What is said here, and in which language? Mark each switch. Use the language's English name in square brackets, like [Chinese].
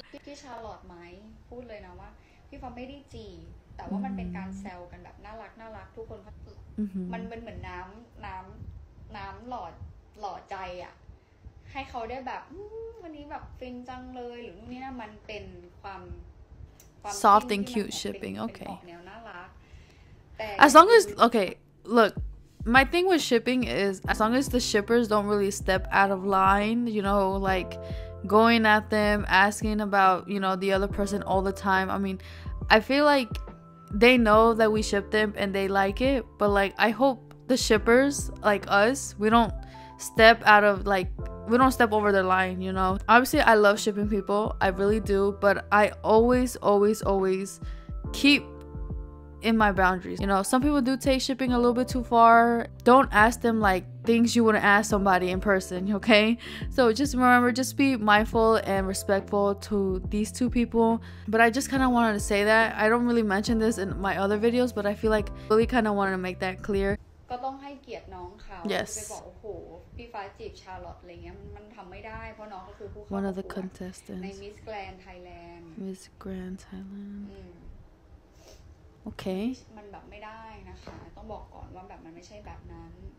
[Thai] พี่ชาร์ลอตต์ไหมพูดเลยนะว่าพี่ฟ้าไม่ได้จีแต่ว่ามันเป็นการแซวกันแบบน่ารักทุกคนมันเหมือนน้ำหล่อใจอ่ะให้เขาได้แบบวันนี้แบบฟินจังเลยหรือนู่นนี่นะมันเป็นความ [English] soft and cute shipping okay [Thai] แนวน่ารัก [English] แต่ as long as okay look my thing with shipping is as long as the shippers don't really step out of line you know like going at them asking about you know the other person all the time I mean I feel like they know that we ship them and they like it but like I hope the shippers like us we don't step over their line, you know? Obviously, I love shipping people. I really do. But I always keep in my boundaries. You know, some people do take shipping a little bit too far. Don't ask them like things you wouldn't ask somebody in person, okay? So just remember, just be mindful and respectful to these two people. But I just kind of wanted to say that. I don't really mention this in my other videos, but I feel like really kind of wanted to make that clear. [Thai] ก็ต้องให้เกียรติน้องเขา ไ ปบอกโอ้โหพี่ฟ้าจีบชาร์ลอตต์อะไรเงี้ยมันทำไม่ได้เพราะน้องก็คือผู้ [English] one of the contestants [Thai] ใน Miss Grand Thailand [English] Miss Grand Thailand okay [Thai] มันแบบไม่ได้นะคะต้องบอกก่อนว่าแบบมันไม่ใช่แบบนั้น